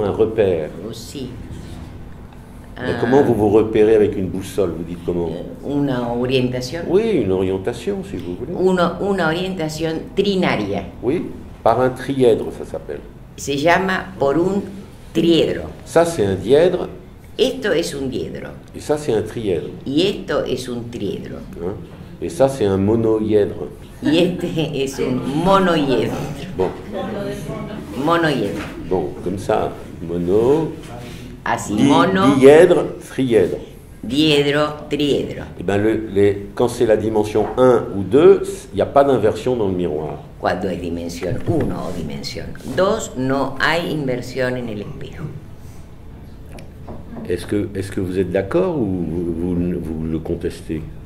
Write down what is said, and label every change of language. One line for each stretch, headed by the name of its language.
French: Un repère.
Spanish: Oh, sí.
French: Mais comment vous vous repérez avec une boussole? Vous dites comment? Une orientation. Oui, une orientation, si vous voulez. Une orientation trinaria. Oui, par un trièdre, ça s'appelle.
Spanish: Se llama por un triedro.
French: Ça, c'est un dièdre.
Spanish: Esto es un diedro.
French: Et ça, c'est un trièdre.
Spanish: Y esto es un triedro.
French: Hein? Et ça, c'est un monoïèdre.
Spanish: Y este es un monoïèdre.
French: Bon. Monoïèdre. Bon, comme ça, mono...
Spanish: Así, mono,
French: dièdre, trièdre.
Spanish: Diedro, triedro.
French: Et ben quand c'est la dimension 1 ou 2, il n'y a pas d'inversion dans le miroir.
Spanish: Cuando es dimensión 1 o dimensión 2, no hay inversión en el espejo.
French: Est-ce que vous êtes d'accord ou vous le contestez?